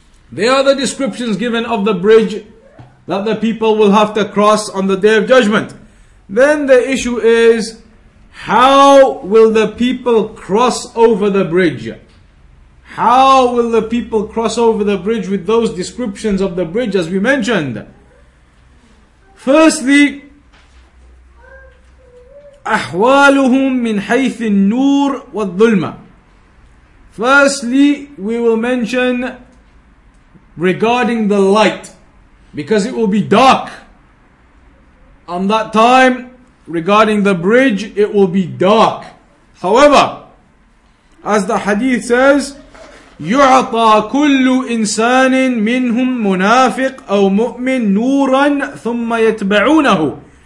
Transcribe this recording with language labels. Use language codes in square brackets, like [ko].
[en] They are the descriptions given of the bridge that the people will have to cross on the Day of Judgment. Then the issue is, how will the people cross over the bridge? How will the people cross over the bridge with those descriptions of the bridge as we mentioned? [ar] Firstly, أحوالهم من حيث النور والظلمة. [en] Firstly, we will mention regarding the light, because it will be dark on that time. Regarding the bridge, it will be dark. However, as the hadith says, [ar] يُعْطَى كُلُّ إِنسَانٍ مِّنْهُمْ مُنَافِقٌ أَوْ مُؤْمِنٌ نُورًا ثُمَّ يَتْبَعُونَهُ.